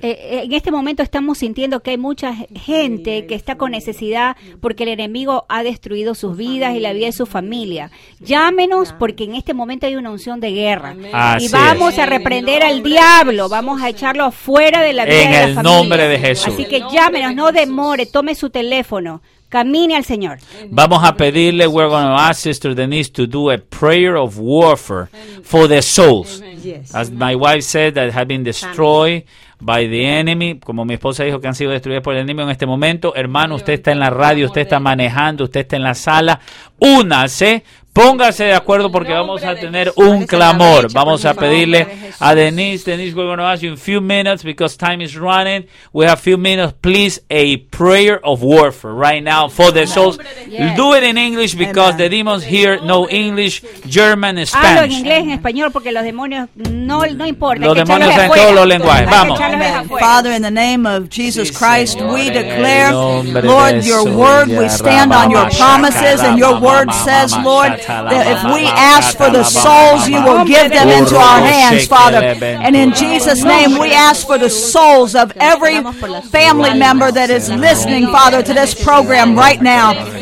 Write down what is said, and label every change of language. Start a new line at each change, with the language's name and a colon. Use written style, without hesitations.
Spanish: En este momento estamos sintiendo que hay mucha gente que está con necesidad porque el enemigo ha destruido sus vidas y la vida de su familia. Llámenos porque en este momento hay una unción de guerra. Así y vamos a reprender al diablo, vamos a echarlo fuera de la vida de la familia. En el nombre de Jesús. Así que llámenos, no demore, tome su teléfono. Camine al Señor. Vamos a pedirle,
English: we're going to ask Sister Denise to do a prayer of warfare for the souls. As my wife said, that have been destroyed by the enemy.
Spanish: Como mi esposa dijo que han sido destruidas por el enemigo en este momento. Hermano, usted está en la radio, usted está manejando, usted está en la sala. Únase, póngase de acuerdo porque vamos a tener un clamor. Vamos a pedirle a Denise.
English: Denise, we're going to ask you in a few minutes because time is running. We have a few minutes. Please, a prayer of warfare right now for the souls. Do it in English because the demons here know English, German, Spanish.
Spanish: Hablo en inglés, en español porque los demonios no importa. Los demonios están en todos los lenguajes. Vamos.
English: Father, in the name of Jesus Christ, we declare, Lord, your word, we stand on your promises, and your word says, Lord, that if we ask for the souls, you will give them into our hands, Father. And in Jesus' name, we ask for the souls of every family member that is listening, Father, to this program right now.